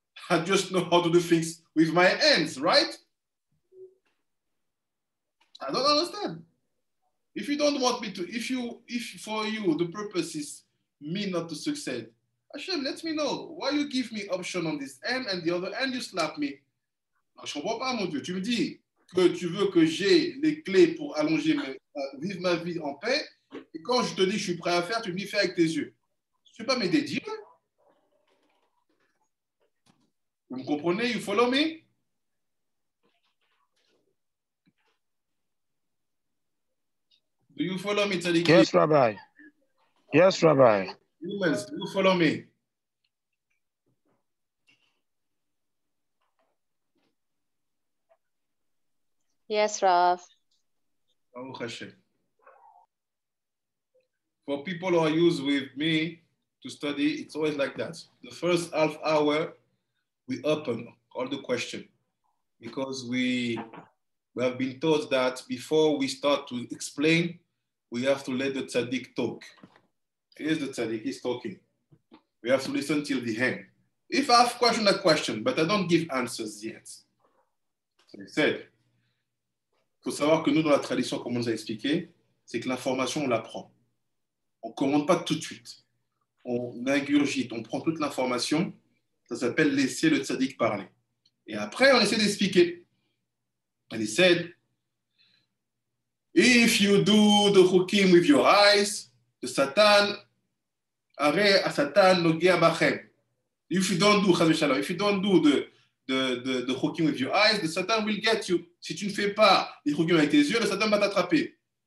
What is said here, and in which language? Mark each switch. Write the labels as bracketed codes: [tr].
[en] I just know how to do things with my hands, right? I don't understand. If you don't want me to, if for you the purpose is me not to succeed, Hashem, let me know. Why you give me option on this end and the other end you slap me? [fr] Je comprends pas, mon Dieu. Tu me dis que tu veux que j'ai les clés pour allonger, vivre ma vie en paix. Et quand je te dis que je suis prêt à faire, tu me dis fais avec tes yeux. Tu ne veux pas m'aider, dis-moi. Vous me comprenez? [en] You follow me? Do you follow me, Tzadik? Yes, Rabbi. Yes, Rabbi. Humans, do you follow me? Yes, Rav. [he] Baruch Hashem. [en] For people who are used with me to study, it's always like that. The first half hour, we open all the questions because we have been taught that before we start to explain, we have to let the tzaddik talk. Here's the tzaddik, he's talking. We have to listen till the end. If I have a question, but I don't give answers yet. So he said, [fr] il faut savoir que nous, dans la tradition, comme on nous a expliqué, c'est que l'information, on l'apprend. On ne commande pas tout de suite. On ingurgite, on prend toute l'information. Ça s'appelle laisser le tzaddik parler. Et après, on essaie d'expliquer. [en] And he said, if you do the chukim with your eyes, the Satan, are a Satan no gea bachem. If you don't do, Chazé Shalom, if you don't do the chukim with your eyes, the Satan will get you. [fr] Si tu ne fais pas les chukim avec tes yeux, le Satan va t'attraper.